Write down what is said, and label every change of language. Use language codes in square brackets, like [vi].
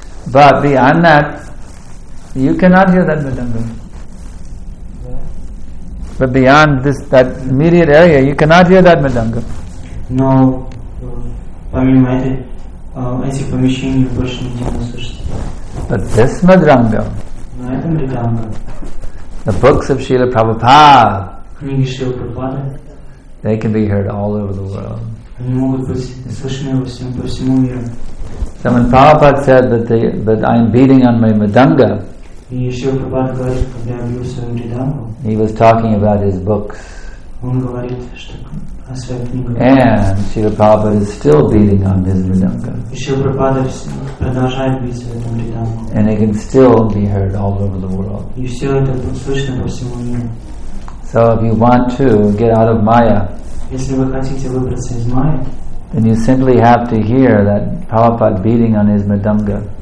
[en] But beyond that, you cannot hear that mridanga. But beyond this, that immediate area, you cannot hear that mridanga. No. [ru] Помимо этих помещений больше нигде не услышите. [en] But this Madranga. [ru] Но это Мриданга. [en] The books of Srila Prabhupada. [ru] Книги Шрилы Прабхупады. [en] They can be heard all over the world. [ru] Они могут быть слышны по всему миру. [en] So when Prabhupada said that I am beating on my Madranga. [ru] И Шрила Прабхупада говорит, что я бью свою Мриданга. [en] He was talking about his books. [ru] Он говорит, что [en] And Srila Prabhupada is still beating on this mridanga. And it can still be heard all over the world. So if you want to get out of Maya, then you simply have to hear that Prabhupada beating on his mridanga.